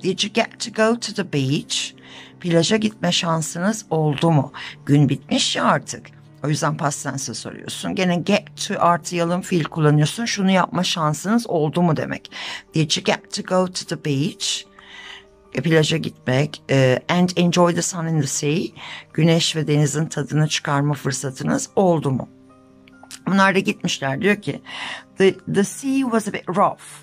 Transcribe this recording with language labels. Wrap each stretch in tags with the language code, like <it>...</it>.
<en>Did you get to go to the beach?</en> <tr>Plaja gitme şansınız oldu mu? Gün bitmiş ya artık. O yüzden past tense soruyorsun. Gene get to artıyalım fiil kullanıyorsun. Şunu yapma şansınız oldu mu demek.</tr> <en>Did you get to go to the beach?</en> <tr>Plaja gitmek.</tr> <en>And enjoy the sun in the sea.</en> <tr>Güneş ve denizin tadını çıkarma fırsatınız oldu mu? Bunlar da gitmişler. Diyor ki</tr> <en>the sea was a bit rough.</en>